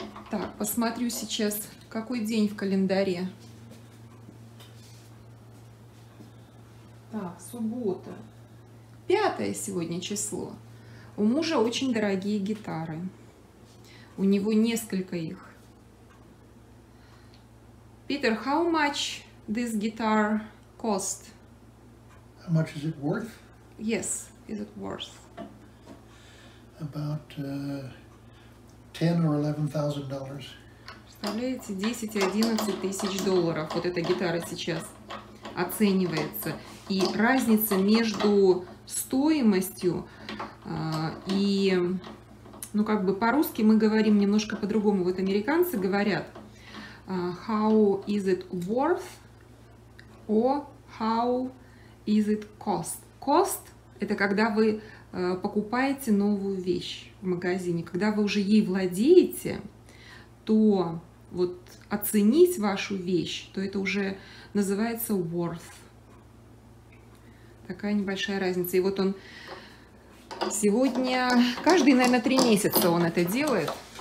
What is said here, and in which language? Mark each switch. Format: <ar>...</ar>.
<ru>Так, посмотрю сейчас, какой день в календаре. Так, суббота. 5 сегодня число. У мужа очень дорогие гитары. У него несколько их.</ru> <en>Питер, how much this guitar cost? How much is it worth? Yes, is it worth? About $10,000 or $11,000.</en> <ru>Представляете, 10-11 тысяч долларов вот эта гитара сейчас оценивается. И разница между стоимостью и, ну как бы по-русски мы говорим немножко по-другому. Вот американцы говорят,</ru> <en>how is it worth or how is it cost?</en> <ru>Cost – это когда вы покупаете новую вещь в магазине. Когда вы уже ей владеете, то вот оценить вашу вещь, то это уже называется worth. Такая небольшая разница. И вот он сегодня, каждые, наверное, 3 месяца он это делает.</ru>